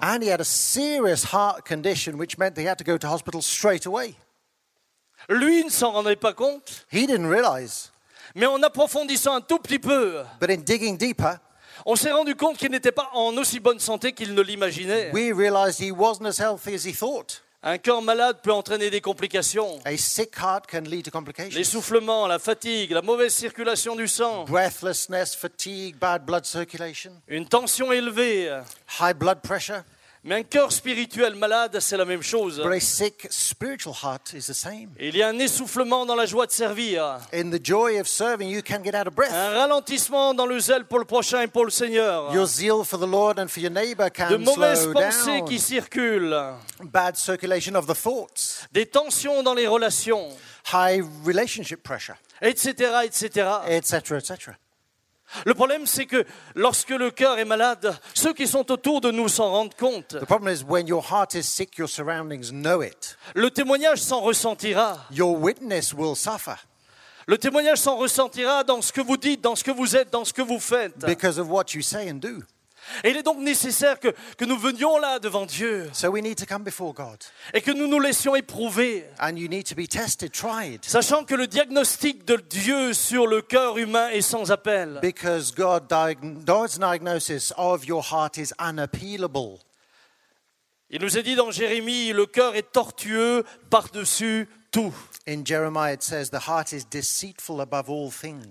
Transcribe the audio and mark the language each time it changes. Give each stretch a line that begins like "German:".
English: And he had a serious heart condition, which meant they had to go to hospital straight away.
French: Lui ne s'en rendait pas compte.
English: He didn't realize.
French: Mais en approfondissant un tout petit peu,
English: but in digging deeper,
French: on s'est rendu compte qu'il n'était pas en aussi bonne santé qu'il ne l'imaginait.
English: We realized he wasn't as healthy as he thought.
French: Un cœur malade peut entraîner des complications.
English: A sick heart can lead to complications.
French: L'essoufflement, la fatigue, la mauvaise circulation du sang.
English: Breathlessness, fatigue, bad blood circulation.
French: Une tension élevée.
English: High blood pressure.
French: Mais un cœur spirituel malade, c'est la même chose.
English: But a sick spiritual heart is the same.
French: Il y a un essoufflement dans la joie de servir.
English: In the joy of serving, you can get out of breath.
French: Un ralentissement dans le zèle pour le prochain et pour le Seigneur.
English: Your zeal for the Lord and for your neighbor can slow down.
French: De mauvaises pensées qui circulent.
English: Bad circulation of the thoughts.
French: Des tensions dans les relations.
English: High relationship pressure.
French: Etc. Etc.
English: Etc. Etc.
French: Le problème, c'est que lorsque le cœur est malade, ceux qui sont autour de nous s'en rendent compte.
English: The problem is when your heart is sick, your surroundings know it.
French: Le témoignage s'en ressentira.
English: Your witness will suffer.
French: Le témoignage s'en ressentira dans ce que vous dites, dans ce que vous êtes, dans ce que vous faites.
English: Because of what you say and do.
French: Et il est donc nécessaire que nous venions là devant Dieu.
English: So we need to come before God.
French: Et que nous nous laissions éprouver.
English: And you need to be tested, tried.
French: Sachant que le diagnostic de Dieu sur le cœur humain est sans appel.
English: Because God's diagnosis of your heart is unappealable.
French: Il nous est dit dans Jérémie, le cœur est tortueux par-dessus tout.
English: In Jeremiah it says the heart is deceitful above all things.